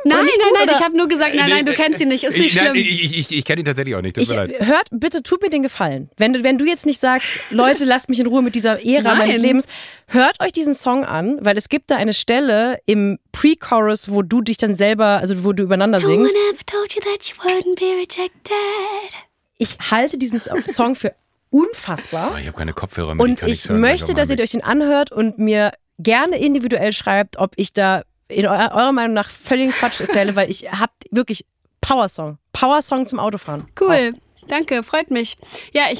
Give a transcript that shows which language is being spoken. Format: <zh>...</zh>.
<de>Nein, ich habe nur gesagt, du kennst ihn nicht, ist nicht schlimm. Ich kenne ihn tatsächlich auch nicht, tut mir leid. Hört, bitte tut mir den Gefallen. Wenn du jetzt nicht sagst, Leute, lasst mich in Ruhe mit dieser Ära meines Lebens, hört euch diesen Song an, weil es gibt da eine Stelle im Pre-Chorus, wo du dich dann selber, also wo du übereinander singst.</de> <en>No one ever told you that you wouldn't be rejected.</en> <de>Ich halte diesen Song für unfassbar. Ich habe keine Kopfhörer mehr. Und ich möchte, dass ihr euch den anhört und mir gerne individuell schreibt, ob ich da in eurer Meinung nach völligen Quatsch erzähle, weil ich habe wirklich Power-Song. Power-Song zum Autofahren. Cool, danke, freut mich. Ja, ich</de>